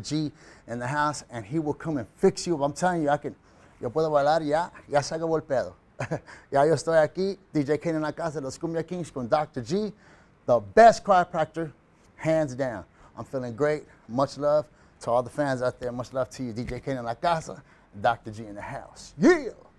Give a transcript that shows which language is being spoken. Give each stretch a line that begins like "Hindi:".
English: G in the house, and he will come and fix you. I'm telling you,
Spanish: yo puedo bailar ya, ya se acabó el pedo. Ya yo estoy aquí, DJ Kane en la casa de los Kumbia Kings con Dr.
English: G, the best chiropractor, hands down. I'm feeling great. Much love to all the fans out there. Much love to you,
Spanish: DJ Kane en la casa,
English: Dr. G in the house. Yeah!